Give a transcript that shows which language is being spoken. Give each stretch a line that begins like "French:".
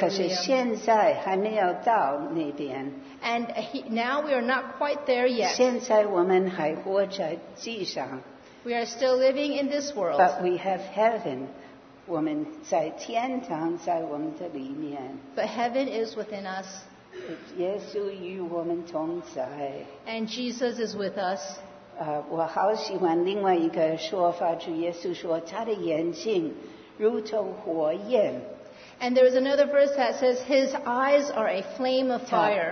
Chinese: 可是现在还没有到那边,
English: and now we are not quite there yet.
Chinese: 现在我们还活在地上,
English: we are still living in this world. But we have heaven.
Chinese: 我们在天堂在我们的里面,
English: but heaven is within us.
Chinese: 耶稣与我们同在,
English: and Jesus is with us.
Chinese: 我好喜欢另外一个说法, 主耶稣说他的眼睛如同火焰,
English: and there is another verse that says his eyes are a flame of fire.